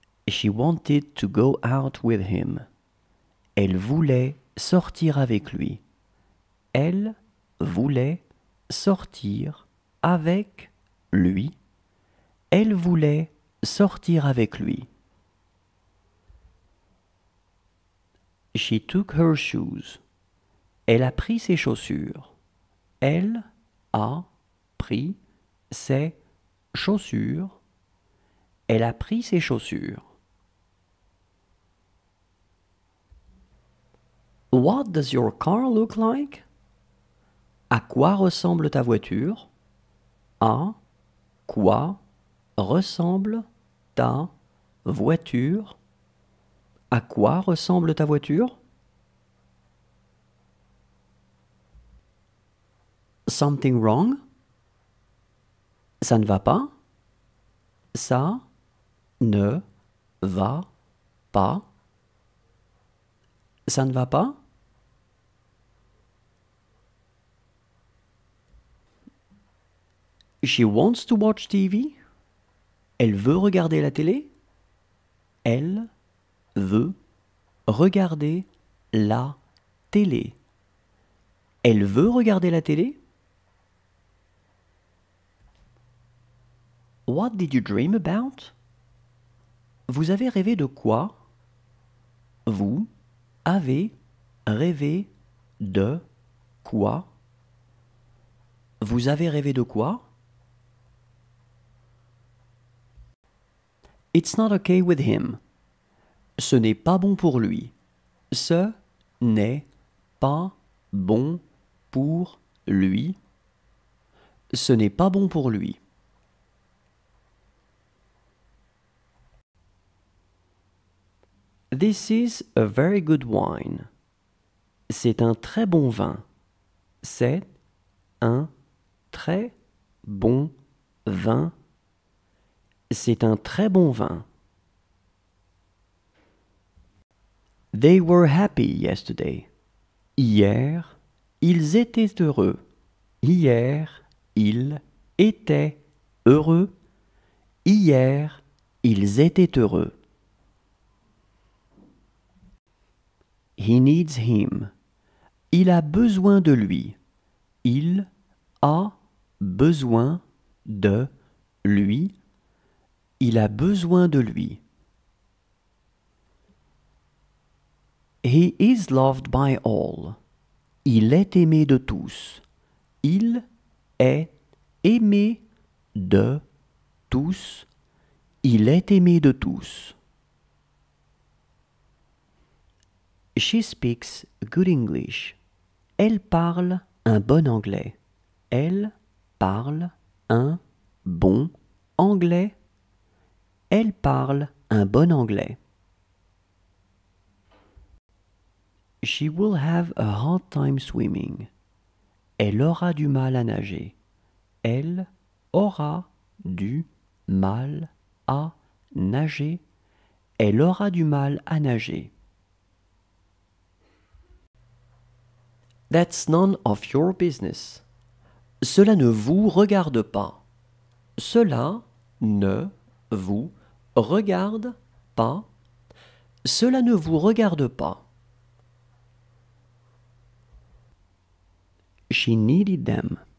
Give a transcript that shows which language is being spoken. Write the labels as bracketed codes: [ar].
[en] She wanted to go out with him. [fr] Elle voulait sortir avec lui. Elle voulait sortir avec lui. Elle voulait sortir avec lui. [en] She took her shoes. [fr] Elle a pris ses chaussures. Elle a pris ses chaussures. Elle a pris ses chaussures. [en] What does your car look like? [fr] À quoi ressemble ta voiture? À quoi ressemble ta voiture? À quoi ressemble ta voiture? [en] Something wrong? [fr] Ça ne va pas? Ça ne va pas? Ça ne va pas? [en] She wants to watch TV. [fr] Elle veut regarder la télé. Elle veut regarder la télé. Elle veut regarder la télé. [en] What did you dream about? [fr] Vous avez rêvé de quoi? Vous avez rêvé de quoi? Vous avez rêvé de quoi? [en] It's not okay with him. [fr] Ce n'est pas bon pour lui. Ce n'est pas bon pour lui. Ce n'est pas bon pour lui. [en] This is a very good wine. [fr] C'est un très bon vin. C'est un très bon vin. C'est un très bon vin. [en] They were happy yesterday. [fr] Hier, ils étaient heureux. Hier, ils étaient heureux. Hier, ils étaient heureux. [en] He needs him. [fr] Il a besoin de lui. Il a besoin de lui. Il a besoin de lui. [en] He is loved by all. [fr] Il est aimé de tous. Il est aimé de tous. Il est aimé de tous. [en] She speaks good English. [fr] Elle parle un bon anglais. Elle parle un bon anglais. Elle parle un bon anglais. [en] She will have a hard time swimming. [fr] Elle aura du mal à nager. Elle aura du mal à nager. Elle aura du mal à nager. [en] That's none of your business. [fr] Cela ne vous regarde pas. Cela ne vous regarde pas. Cela ne vous regarde pas. [en] She needed them.